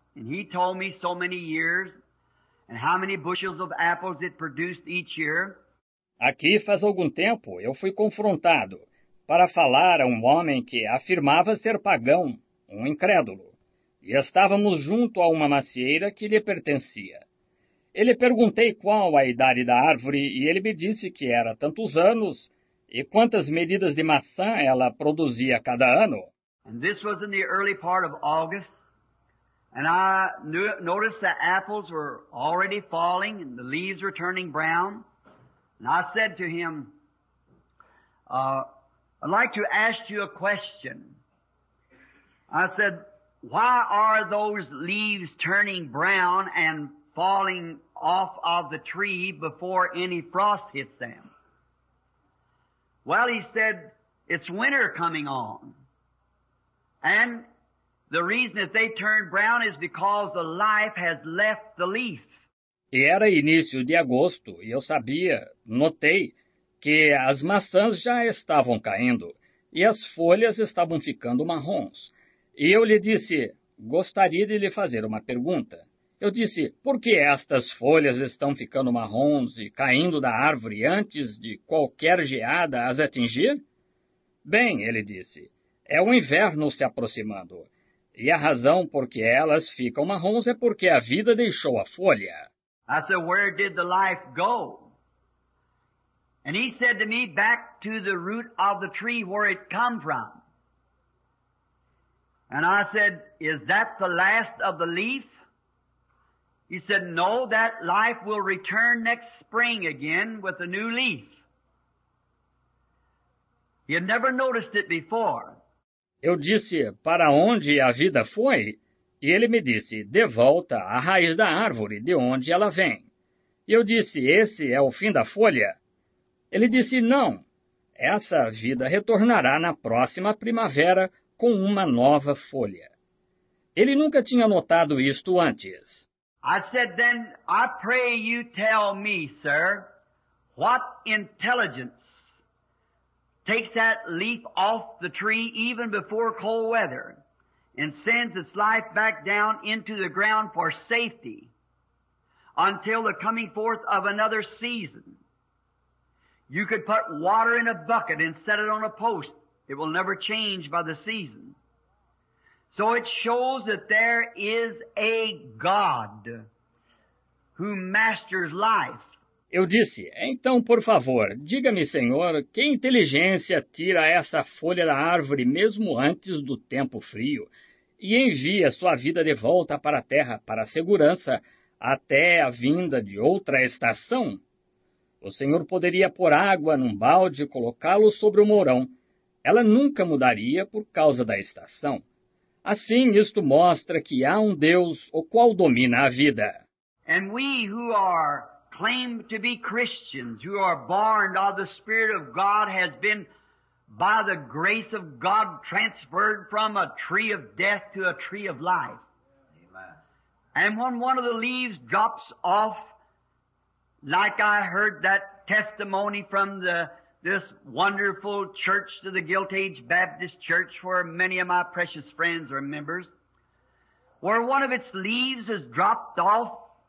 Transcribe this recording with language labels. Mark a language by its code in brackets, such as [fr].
[en] And he told me so many years, and how many bushels of apples it produced each year. [pt] Aqui faz algum tempo eu fui confrontado para falar a um homem que afirmava ser pagão, um incrédulo. E estávamos junto a uma macieira que lhe pertencia. Ele perguntei qual a idade da árvore e ele me disse que era tantos anos e quantas medidas de maçã ela produzia cada ano. [en] And this was in the early part of August, and I noticed that apples were already falling and the leaves were turning brown. And I said to him, I'd like to ask you a question. I said, why are those leaves turning brown and falling off of the tree before any frost hits them? Well, he said, it's winter coming on. And the reason that they turn brown is because the life has left the leaf. [pt] E era início de agosto, e eu sabia, notei, que as maçãs já estavam caindo, e as folhas estavam ficando marrons. E eu lhe disse, gostaria de lhe fazer uma pergunta. Eu disse, por que estas folhas estão ficando marrons e caindo da árvore antes de qualquer geada as atingir? Bem, ele disse, é o inverno se aproximando, e a razão por que elas ficam marrons é porque a vida deixou a folha. [en] I said, where did the life go? And he said to me, back to the root of the tree where it come from. And I said, is that the last of the leaf? He said, no, that life will return next spring again with a new leaf. He had never noticed it before. [pt] Eu disse, para onde a vida foi? E ele me disse, de volta à raiz da árvore, de onde ela vem. E eu disse, esse é o fim da folha? Ele disse, não, essa vida retornará na próxima primavera com uma nova folha. Ele nunca tinha notado isto antes. [en] I said, then, I pray you tell me, sir, what intelligence takes that leaf off the tree even before cold weather and sends its life back down into the ground for safety until the coming forth of another season. You could put water in a bucket and set it on a post. It will never change by the season. So it shows that there is a God who masters life. [pt] Eu disse, então, por favor, diga-me, Senhor, que inteligência tira essa folha da árvore mesmo antes do tempo frio e envia sua vida de volta para a terra, para a segurança, até a vinda de outra estação? O Senhor poderia pôr água num balde e colocá-lo sobre o mourão. Ela nunca mudaria por causa da estação. Assim, isto mostra que há um Deus o qual domina a vida. [en] And we who are claimed to be Christians, who are born of the Spirit of God, has been by the grace of God transferred from a tree of death to a tree of life. And when one of the leaves drops off, like I heard that testimony from this wonderful church, to the Gilt Age Baptist Church, where many of my precious friends are members, where one of its leaves is dropped off.